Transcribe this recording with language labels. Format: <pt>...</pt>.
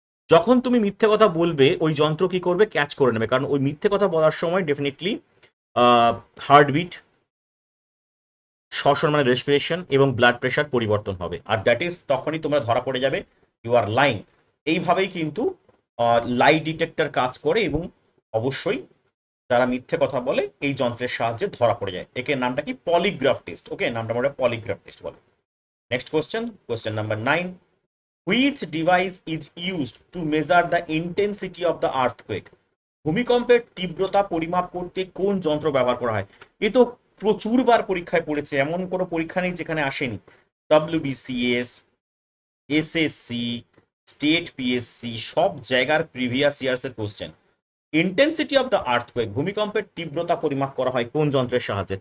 <bn>যখন তুমি মিথ্যে কথা বলবে ওই যন্ত্র কি করবে, ক্যাচ করে নেবে, কারণ ওই মিথ্যে কথা বলার সময় ডেফিনেটলি হার্টবিট, শ্বসন মানে রেসপিরেশন এবং ব্লাড প্রেশার পরিবর্তন হবে, আর দ্যাট ইজ তখনই তোমরা ধরা পড়ে যাবে,</bn> <en>You are lying.</en> <bn>এইভাবেই কিন্তু লাই ডিটেক্টর কাজ করে, এবং অবশ্যই যারা মিথ্যে কথা বলে এই যন্ত্রের সাহায্যে ধরা পড়ে যায়, একে নামটা কি পলিগ্রাফ টেস্ট। ওকে, নামটা মনে পলিগ্রাফ টেস্ট বলে। Next question, question number 9,</bn> <en>Which device is used to measure the intensity of the earthquake?</en> <bn>ভূমিকম্পের তীব্রতা পরিমাপ করতে কোন যন্ত্র ব্যবহার করা হয়? এ তো প্রচুরবার পরীক্ষায় পড়েছে, এমন কোনো পরীক্ষা নেই যেখানে আসেনি। WBCS, SSC, স্টেট PSC সব জায়গার প্রিভিয়াস ইয়ার্স এর question.</bn> <en>intensity of the earthquake,</en> <bn>ভূমিকম্পের তীব্রতা পরিমাপ করা হয় কোন যন্ত্রের সাহায্যে?</bn>